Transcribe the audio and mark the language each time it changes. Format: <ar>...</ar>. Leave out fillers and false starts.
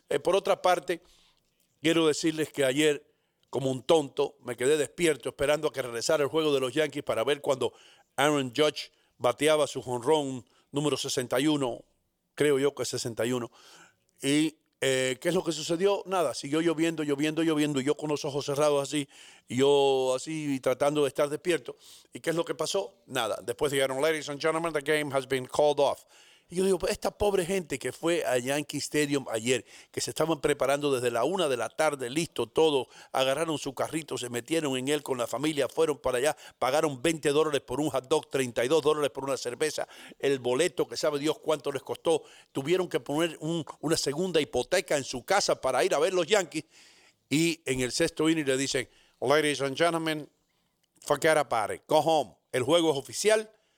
<es>Por otra parte, quiero decirles que ayer, como un tonto, me quedé despierto esperando a que regresara el juego de los Yankees para ver cuando Aaron Judge bateaba su jonrón número 61, creo yo que 61. ¿Y qué es lo que sucedió? Nada, siguió lloviendo, lloviendo, lloviendo, y yo con los ojos cerrados así, y yo así tratando de estar despierto. ¿Y qué es lo que pasó? Nada. Después dijeron,</es> <en>ladies and gentlemen, the game has been called off.</en> <es>Y yo digo, esta pobre gente que fue a Yankee Stadium ayer, que se estaban preparando desde la una de la tarde, listo todo, agarraron su carrito, se metieron en él con la familia, fueron para allá, pagaron $20 por un hot dog, $32 por una cerveza, el boleto que sabe Dios cuánto les costó, tuvieron que poner una segunda hipoteca en su casa para ir a ver los Yankees, y en el sexto inning le dicen,</es> <en>ladies and gentlemen, forget about it, go home,</en> <es>el juego es oficial.</es>